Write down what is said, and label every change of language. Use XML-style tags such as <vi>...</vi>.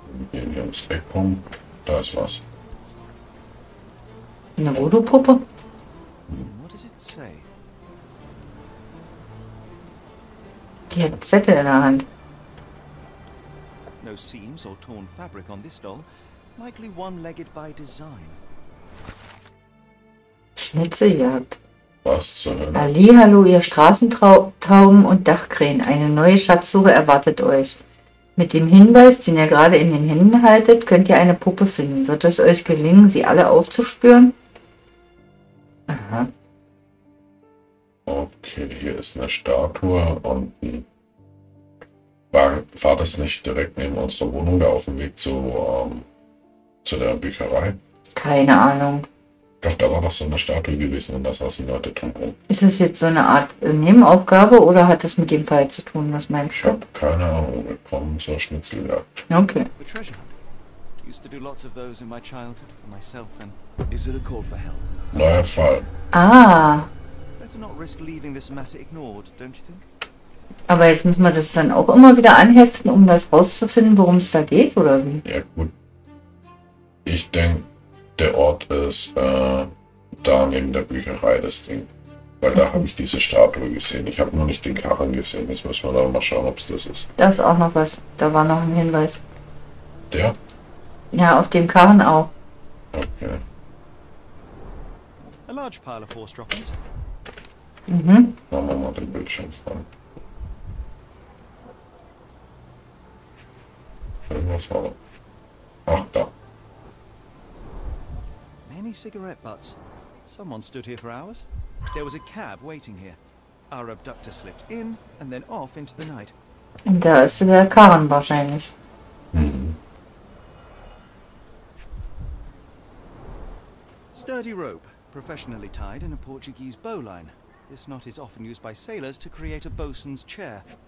<de>Wir gehen hier ums Eck rum, da ist was. Eine Voodoo-Puppe?</de> <en>What does it say?</en> <de>Die hat einen Zettel in der Hand.</de> <en>No seams or torn fabric on this doll. Likely one-legged by design.</en> <de>Schnitzeljagd. Was zur Hölle? Ali, hallo, ihr Straßentauben und Dachkrähen. Eine neue Schatzsuche erwartet euch. Mit dem Hinweis, den ihr gerade in den Händen haltet, könnt ihr eine Puppe finden. Wird es euch gelingen, sie alle aufzuspüren? Aha. Okay, hier ist eine Statue und ein... War das nicht direkt neben unserer Wohnung, da auf dem Weg zu der Bücherei? Keine Ahnung. Doch, da war doch so eine Statue gewesen und da saßen Leute drumherum. Ist das jetzt so eine Art Nebenaufgabe oder hat das mit dem Fall zu tun? Was meinst ich du? Ich habe keine Ahnung. Wir kommen zur Schnitzeljagd. Okay.</de> <en>The treasure hunt. Used to do lots of those in my childhood for myself and is it a call for help?</en> <de>Neuer Fall. Ah.</de> <en>Better not risk leaving this matter ignored, don't you think?</en> <de>Aber jetzt müssen wir das dann auch immer wieder anheften, um das rauszufinden, worum es da geht, oder wie? Ja, gut. Ich denke, der Ort ist da neben der Bücherei, das Ding. Weil da habe ich diese Statue gesehen. Ich habe nur nicht den Karren gesehen. Jetzt müssen wir dann mal schauen, ob es das ist. Da ist auch noch was. Da war noch ein Hinweis. Der? Ja, auf dem Karren auch. Okay.</de> <en>A large pile of horse droppings. Mhm.</en> <de>Machen wir mal den Bildschirm voll. Irgendwas war da. Ach, da.</de> <en>Any cigarette butts? Someone stood here for hours. There was a cab waiting here. Our abductor slipped in and then off into the night.</en> <de>Und da ist der Karren wahrscheinlich.</de> <en>Sturdy rope, professionally tied in a Portuguese bowline. This knot is often used by sailors to create a bosun's chair.</en>